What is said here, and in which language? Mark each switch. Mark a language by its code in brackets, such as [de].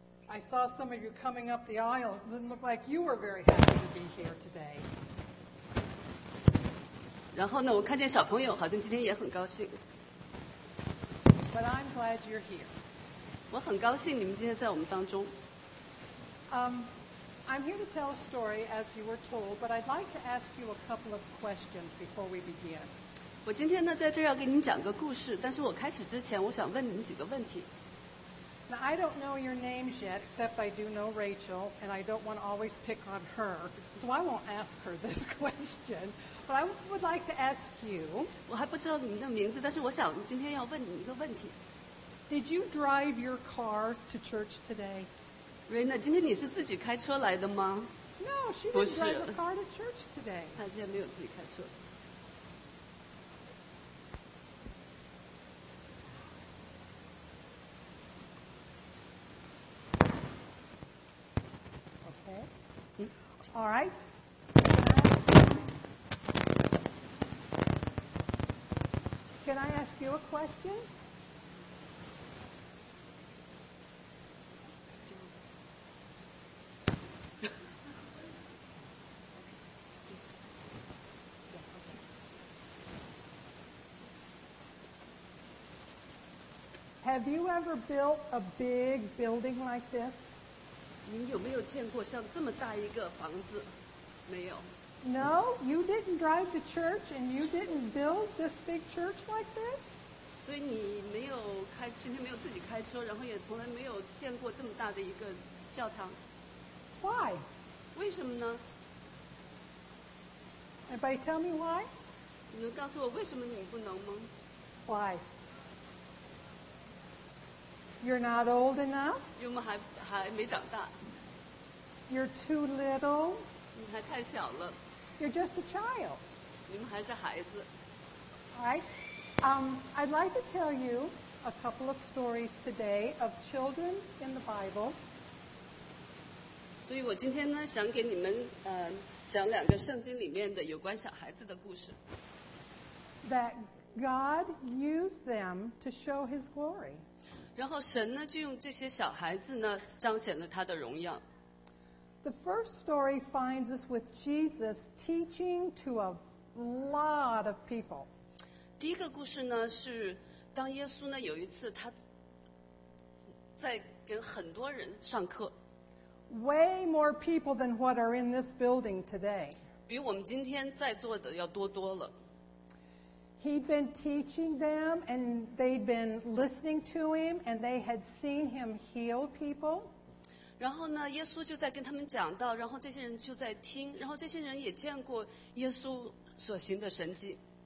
[en] I saw some of you coming up the aisle. It didn't look like you were very happy to be here today. [zh] 然后呢，我看见小朋友好像今天也很高兴。 [en] But I'm glad you're here. [zh] 我很高兴你们今天在我们当中。 [en] I'm here to tell a story, as you were told, but I'd like to ask you a couple of questions before we begin. [zh] 我今天呢在这儿要给您讲个故事，但是我开始之前，我想问您几个问题。 [en] Now, I don't know your names yet, except I do know Rachel, and I don't want to always pick on her, so I won't ask her this question. But I would like to ask you. [zh] 我还不知道您的名字，但是我想今天要问您一个问题。 [en] Did you drive your car to church today? [zh] Raina, 今天你是自己开车来的吗？ [en] No, she didn't drive a car to church today. [zh] 她今天没有自己开车。 [en] Okay. All right. Can I ask you a question? Have you ever built a big building like this? [zh] 你有没有见过像这么大一个房子？没有。 [en] No, you didn't drive the church and you didn't build this big church like this? [zh] 所以你没有开，今天没有自己开车，然后也从来没有见过这么大的一个教堂。 [en] Why? [zh] 为什么呢？ [en] Anybody tell me why? [zh] 你能告诉我为什么你不能吗？ [en] Why? You're not old enough. [zh] 因为还没长大。 [en] You're too little. [zh] 你还太小了。 [en] You're just a child. [zh] 你们还是孩子。 [en] Right. I'd like to tell you a couple of stories today of children in the Bible. [zh] 所以我今天呢，想给你们讲两个圣经里面的有关小孩子的故事。 [en] That God used them to show His glory. [zh] 然后神呢就用这些小孩子呢彰显了他的荣耀。 [en] The first story finds us with Jesus teaching to a lot of people. [zh] 第一个故事呢是当耶稣呢有一次他在跟很多人上课。 [en] Way more people than what are in this building today. [zh] 比我们今天在座的要多多了。 [en] He'd been teaching them, and they'd been listening to him, and they had seen him heal people. [zh] 然后呢，耶稣就在跟他们讲道，然后这些人就在听，然后这些人也见过耶稣所行的神迹。